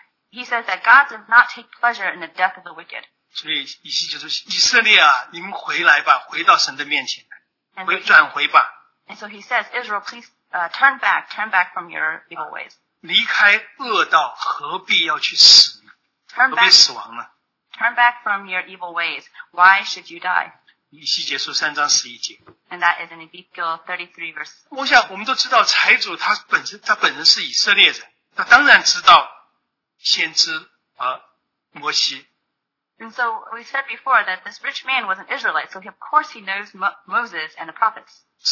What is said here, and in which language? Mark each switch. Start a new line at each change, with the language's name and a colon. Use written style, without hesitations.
English: He says that God does not take pleasure in the death of the wicked.
Chinese: 所以以西结说：“以色列啊，你们回来吧，回到神的面前，回转回吧。”
English: And so he says, Israel, please turn back from your evil ways.
Chinese: 离开恶道，何必要去死呢？
English: Turn back,
Chinese: 何必死亡呢？
English: Turn back from your evil ways. Why should you die?
Chinese: 以西结书3:11.
English: And that is in Ezekiel 33:1.
Chinese: 我想我们都知道财主他本身是以色列人，他当然知道先知摩西。
English: And so we said before that this rich man was an Israelite, so he, of course he knows Moses and the prophets.